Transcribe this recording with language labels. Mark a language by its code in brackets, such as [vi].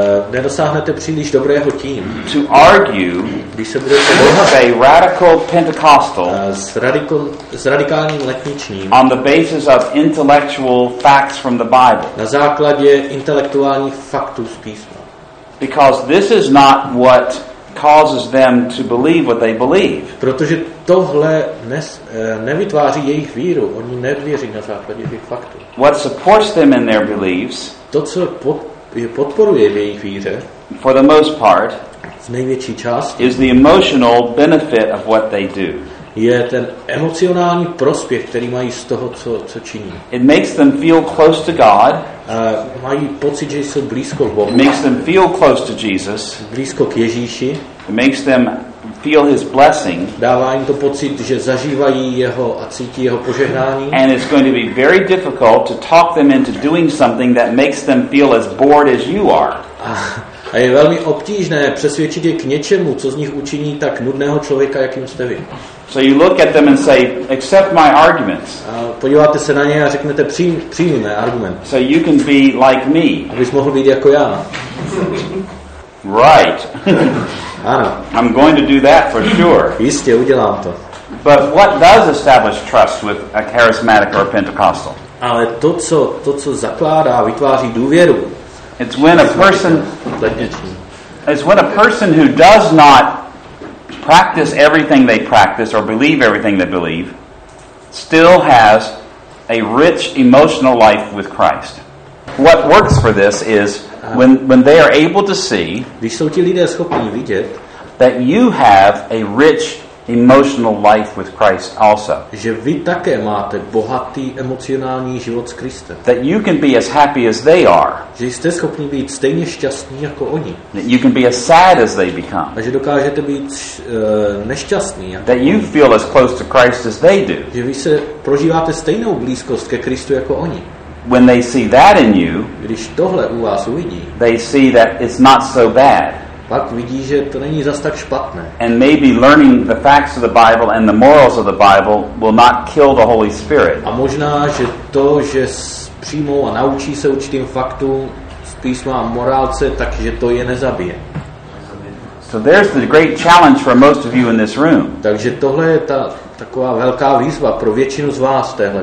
[cs] Nedosáhnete příliš dobrého tím. [en] To argue, [cs] když se budete bojovat [en] a radical Pentecostal [cs] s radikálním letničním [en] on the basis of intellectual facts from the Bible. [cs] Na základě intelektuálních faktů z písma. [en] Because this is not what causes them to believe what they believe. [cs] Protože tohle nevytváří jejich víru. Oni nevěří na základě těch faktů. [en] What supports them in their beliefs? [cs] To, co je podporuje v jejich víře. [en] For the most part, [cs] z největší části, [en] is the emotional benefit of what they do. [cs] Je ten emocionální prospěch, který mají z toho, co činí. [en] It makes them feel close to God. [cs] Mají pocit, že jsou blízko k Bohu. [en] It makes them feel close to Jesus. [cs] Blízko k Ježíši. [en] It makes them feel his blessing. [cs] Dává jim to pocit, že zažívají jeho a cítí jeho požehnání. [en] And it's going to be very difficult to talk them into doing something that makes them feel as bored as you are. [cs] A je velmi obtížné přesvědčit je k něčemu, co z nich učiní tak nudného člověka, jakým jste vy. [en] So you look at them and say, accept my arguments. [cs] Podíváte se na ně a řeknete, přijmi mé argument. [en] So you can be like me. [cs] Abys mohl být jako já. [en] Right. [cs] Ano. [en] I'm going to do that for sure. [cs] Jistě, udělám to. [en] But what does establish trust with a charismatic or a Pentecostal? [cs] Ale to, co zakládá, vytváří důvěru. [en] It's when a person who does not practice everything they practice or believe everything they believe still has a rich emotional life with Christ. What works for this is when they are able to see [cs] když jsou ti lidé schopni vidět, [en] that you have a rich emotional life with Christ also. [cs] Že vy také máte bohatý emocionální život s Kristem. [en] That you can be as happy as they are. [cs] Že jste schopni být stejně šťastní jako oni. [en] That you can be as sad as they become. [cs] A že dokážete být nešťastní. [en] That you feel as close to Christ as they do. [cs] Že vy se prožíváte stejnou blízkost ke Kristu jako oni. [en] When they see that in you, [cs] když tohle u vás uvidí, [en] they see that it's not so bad. [cs] Pak vidí, že to není zas tak špatné. [en] And maybe learning the facts of the Bible and the morals of the Bible will not kill the Holy Spirit. [cs] A možná, že to, že přijmou a naučí se určitým faktům z písma a morálce, takže to je nezabije. [en] So there's the great challenge for most of you in this room. [cs] Takže tohle je ta taková velká výzva pro většinu z vás v téhle